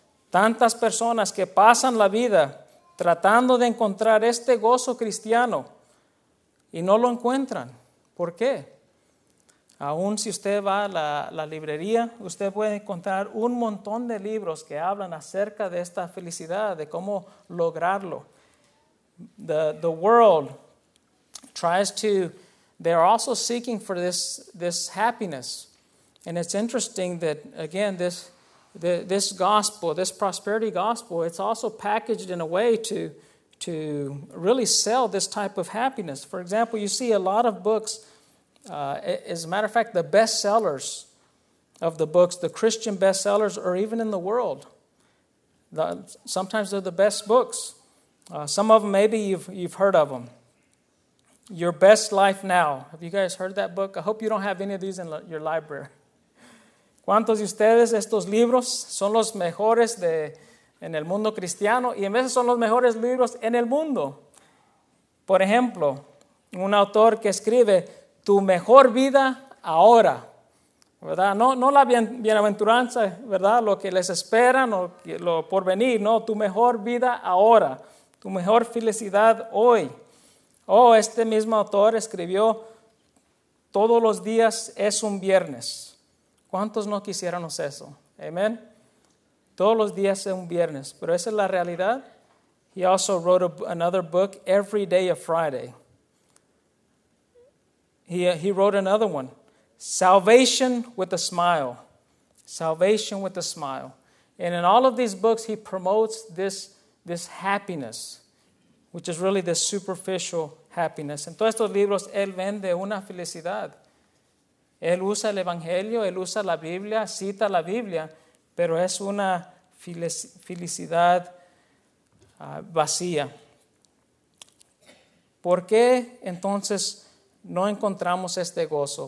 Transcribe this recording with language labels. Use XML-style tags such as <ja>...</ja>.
<es>Tantas personas que pasan la vida tratando de encontrar este gozo cristiano y no lo encuentran. ¿Por qué? Aún si usted va a la librería, usted puede encontrar un montón de libros que hablan acerca de esta felicidad, de cómo lograrlo.</es> <en>The world tries to, they're also seeking for this happiness. And it's interesting that, again, this gospel, this prosperity gospel, it's also packaged in a way to really sell this type of happiness. For example, you see a lot of books, as a matter of fact, the bestsellers of the books, the Christian bestsellers, or even in the world. Sometimes they're the best books. Some of them, maybe you've heard of them. Your Best Life Now. Have you guys heard that book? I hope you don't have any of these in your library.</en> <es>¿Cuántos de ustedes estos libros son los mejores en el mundo cristiano? Y en veces son los mejores libros en el mundo. Por ejemplo, un autor que escribe, tu mejor vida ahora. ¿Verdad? No la bienaventuranza, ¿verdad? Lo que les esperan o lo por venir. No, tu mejor vida ahora. Tu mejor felicidad hoy. Oh, este mismo autor escribió, todos los días es un viernes. ¿Cuántos no quisiéramos eso? Amén. Todos los días es un viernes. Pero esa es la realidad.</es> <en>He also wrote another book, Every Day a Friday. He wrote another one, Salvation with a Smile. Salvation with a Smile. And in all of these books, he promotes this happiness, which is really this superficial happiness.</en> <es>En todos estos libros, él vende una felicidad. Él usa el Evangelio, él usa la Biblia, cita la Biblia, pero es una felicidad vacía. ¿Por qué entonces no encontramos este gozo?</es>